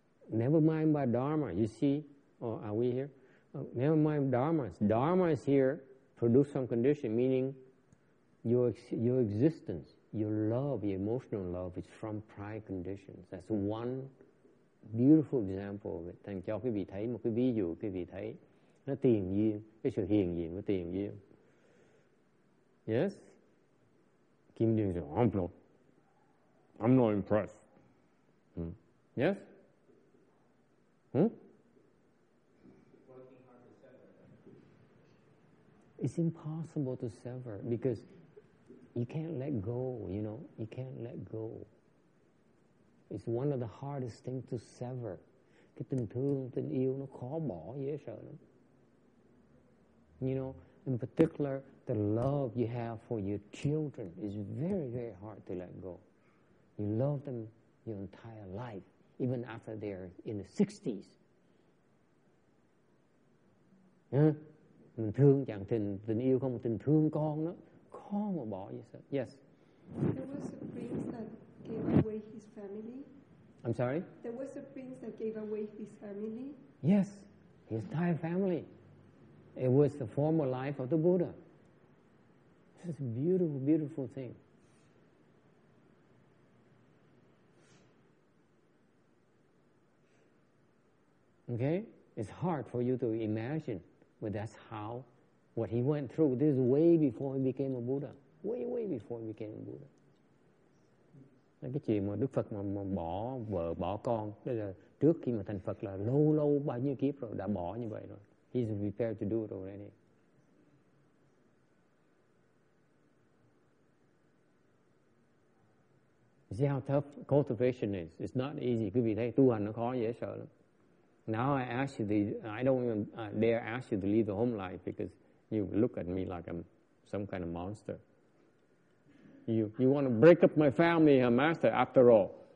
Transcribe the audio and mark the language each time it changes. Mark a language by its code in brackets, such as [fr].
[en] Never mind about Dharma. You see, are we here? Never mind Dharma. Dharma is here, produce some condition, meaning your existence, your love, your emotional love is from prior conditions. That's one beautiful example of it. [vi] Thành cho quý vị thấy một cái ví dụ, quý vị thấy nó tiềm duyên, cái sự hiện diện của tiềm duyên. [en] Yes? Kim Dương said, I'm not impressed. Hmm. Yes? It's impossible to sever because you can't let go, you know. You can't let go. It's one of the hardest things to sever. [vi] Cái tình thương, tình yêu nó khó bỏ, dễ sợ lắm. [en] You know, in particular, the love you have for your children is very, very hard to let go. You love them your entire life, even after they're in the 60s. [vi] Mình thương chẳng tình yêu không, tình thương con đó, khó mà bỏ vậy sao? [en] Yes. There was a prince that gave away his family. I'm sorry? There was a prince that gave away his family. Yes, his entire family. It was the former life of the Buddha. This is a beautiful, beautiful thing. Okay? It's hard for you to imagine. But that's how, what he went through. This is way before he became a Buddha. Way, way before he became a Buddha. [vi] Cái chuyện mà Đức Phật mà bỏ vợ, bỏ con, đây là trước khi mà thành Phật là lâu lâu, bao nhiêu kiếp rồi, đã bỏ như vậy rồi. [en] He's prepared to do it already. You see how tough cultivation is? It's not easy. [vi] Quý vị thấy tu hành nó khó, dễ sợ lắm. [en] Now I ask you, I don't even dare ask you to leave the home life because you look at me like I'm some kind of monster. You want to break up my family, her master, after all.